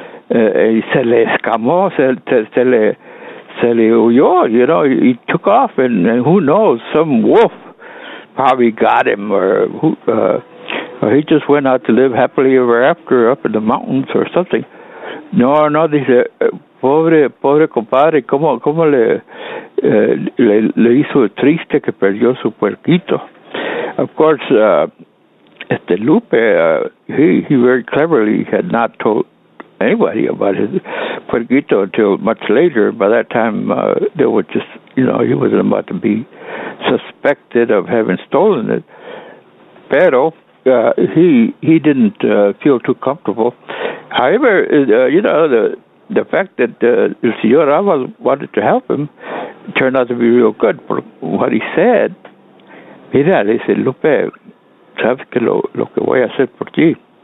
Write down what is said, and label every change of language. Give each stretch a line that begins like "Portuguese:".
Spanish: Y se le escamó, se le huyó,
English: you know, he took off, and who knows, some wolf probably got him, or he just went out to live happily ever after up in the mountains or something.
Spanish: No, dice, pobre compadre, cómo le hizo triste que perdió su puerquito.
English: Of course, Lupe, he very cleverly had not told anybody about his puerquito until much later. By that time, they were just, you know, he wasn't about to be suspected of having stolen it. Pero he didn't feel too comfortable. However, you know, the fact that El Señor Aval wanted to help him turned out to be real good for what he said.
Spanish: Mira, le dice, Lupe, sabes que lo que voy a hacer por ti.